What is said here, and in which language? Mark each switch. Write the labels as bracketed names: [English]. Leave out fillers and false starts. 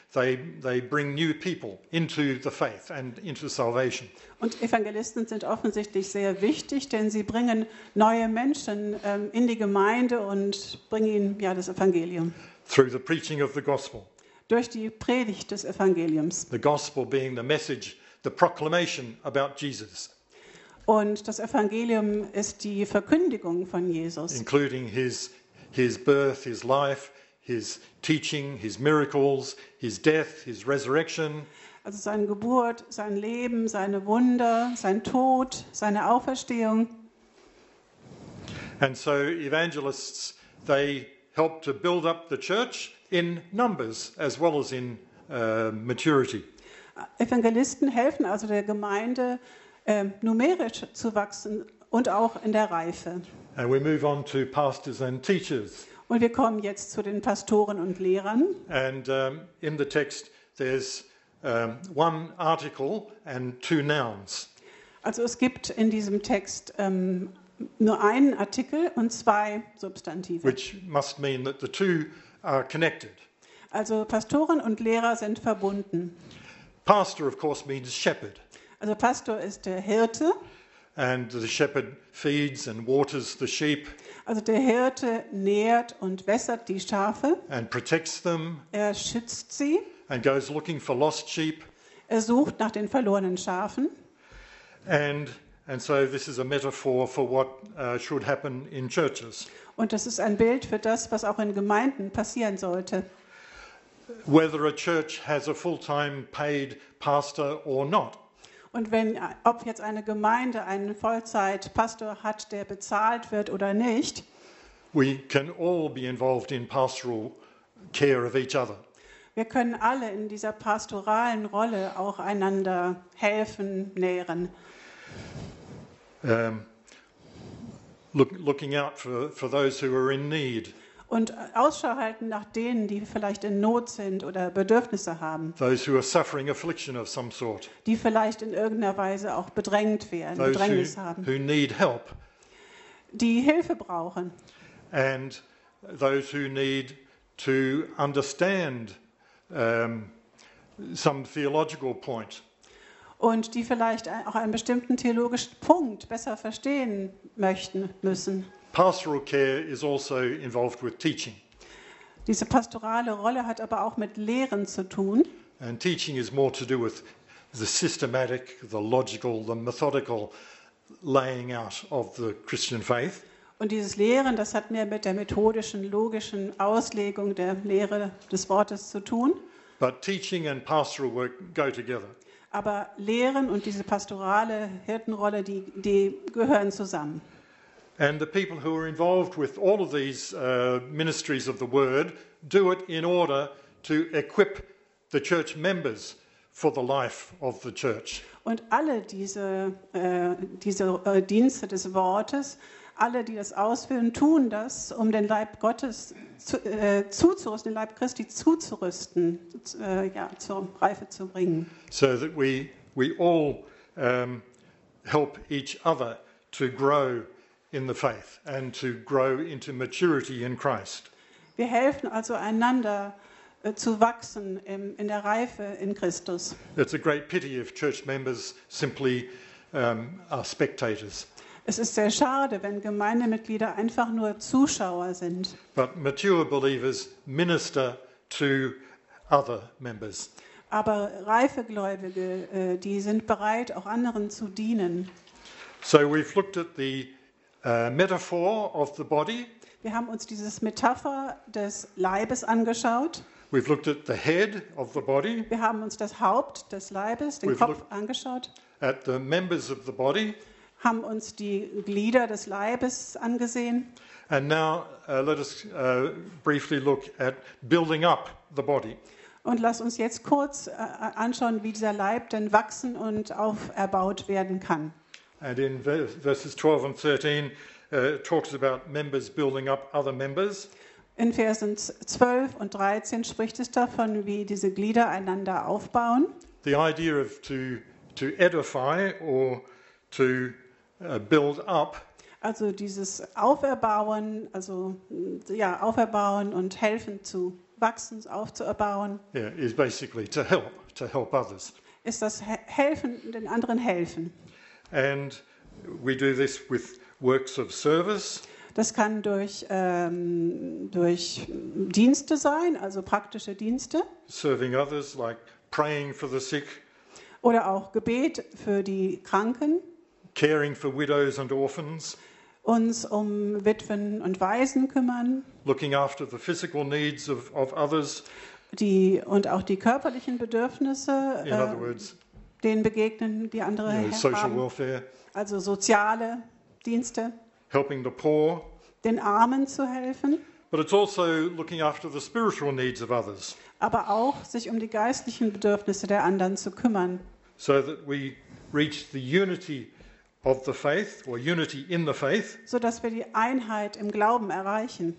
[English] They bring new people into the faith and into salvation. [German] Und Evangelisten sind offensichtlich sehr wichtig, denn sie bringen neue Menschen in die Gemeinde und bringen ihnen ja das Evangelium. [English] Through the preaching of the gospel. [German] Durch die Predigt des Evangeliums. [English] The gospel being the message, the proclamation about Jesus. [German] Und das Evangelium ist die Verkündigung von Jesus. [English] Including his birth, his life, his teaching, his miracles, his death, his resurrection. [German] Also seine Geburt, sein Leben, seine Wunder, sein Tod, seine Auferstehung. [English] And so evangelists, they help to build up the church in numbers as well as in maturity. [German] Evangelisten helfen also der Gemeinde, numerisch zu wachsen und auch in der Reife. [English] And we move on to pastors and teachers. [German] Und wir kommen jetzt zu den Pastoren und Lehrern. [English] And in the text there's one article and two nouns. [German] Also es gibt in diesem Text nur einen Artikel und zwei Substantive. [English] Which must mean that the two are connected. [German] Also Pastoren und Lehrer sind verbunden. [English] Pastor of course means shepherd. [German] Also Pastor ist der Hirte. [English] And the shepherd feeds and waters the sheep. [German] Also der Hirte nährt und wässert die Schafe. [English] And protects them. [German] Er schützt sie. [English] And goes looking for lost sheep. [German] Er sucht nach den verlorenen Schafen. [English] And so this is a metaphor for what should happen in churches. [German] Und das ist ein Bild für das, was auch in Gemeinden passieren sollte. [English] Whether a church has a full-time paid pastor or not. [German] Und wenn, ob jetzt eine Gemeinde einen Vollzeitpastor hat, der bezahlt wird oder nicht. [English] We can all be involved in pastoral care of each other. [German] Wir können alle in dieser pastoralen Rolle auch einander helfen, nähren. [English] Looking out for those who are in need. [German] Und Ausschau halten nach denen, die vielleicht in Not sind oder Bedürfnisse haben. [English] Those who are suffering affliction of some sort. [German] Die vielleicht in irgendeiner Weise auch bedrängt werden, [English] those [German] Bedrängnis [English] who, [German] haben. [English] Who need help. [German] Die Hilfe brauchen. [English] And those who need to understand some theological point. [German] Und die vielleicht auch einen bestimmten theologischen Punkt besser verstehen möchten, müssen. [English] Pastoral care is also involved with teaching. [German] Diese pastorale Rolle hat aber auch mit Lehren zu tun. [English] And teaching is more to do with the systematic, the logical, the methodical laying out of the Christian faith. [German] Und dieses Lehren, das hat mehr mit der methodischen, logischen Auslegung der Lehre des Wortes zu tun. [English] But teaching and pastoral work go together. [German] Aber Lehren und diese pastorale Hirtenrolle, die gehören zusammen. [English] And the people who are involved with all of these ministries of the word do it in order to equip the church members for the life of the church. [German] Und alle diese Dienste des Wortes, alle die das ausführen, tun das, um den Leib Gottes zuzurüsten, den Leib Christi zuzurüsten, zur Reife zu bringen. [English] So that we all help each other to grow in the faith and to grow into maturity in Christ. [German] Wir helfen also einander zu wachsen in der Reife in Christus. [English] It's a great pity if church members simply are spectators. [German] Es ist sehr schade, wenn Gemeindemitglieder einfach nur Zuschauer sind. [English] But mature believers minister to other members. [German] Aber reife Gläubige, die sind bereit, auch anderen zu dienen. [English] So we've looked at the metaphor of the body. [German] Wir haben uns dieses Metapher des Leibes angeschaut. [English] We've looked at the head of the body. [German] Wir haben uns das Haupt des Leibes, den Kopf angeschaut. [English] At the members of the body. [German] Haben uns die Glieder des Leibes angesehen. [English] And now let us briefly look at building up the body. [German] Und lass uns jetzt kurz anschauen, wie dieser Leib denn wachsen und auferbaut werden kann. [English] And in verses 12 and 13 talks about members building up other members. [German] In Versen 12 und 13 spricht es davon, wie diese Glieder einander aufbauen. [English] The idea of to edify or to build up. [German] Also dieses Auferbauen, also ja, auferbauen und helfen zu wachsen, aufzubauen. [English] Yeah, is basically to help others. [German] Ist das helfen, den anderen helfen. [English] And we do this with works of service. [German] Das kann durch Dienste sein, also praktische Dienste. [English] Serving others, like praying for the sick. [German] Oder auch Gebet für die Kranken. [English] Caring for widows and orphans. [German] Uns um Witwen und Waisen kümmern. [English] Looking after the physical needs of others. [German] Die und auch die körperlichen Bedürfnisse. [English] In other words, [German] denen begegnen, die andere haben. [English] Social welfare. [German] Also soziale Dienste. [English] Helping the poor, [German] den Armen zu helfen, [English] but it's also looking after the spiritual needs of others. [German] Aber auch sich um die geistlichen Bedürfnisse der anderen zu kümmern. [English] So that we reach the unity of the faith or unity in the faith. [German] So dass wir die Einheit im Glauben erreichen.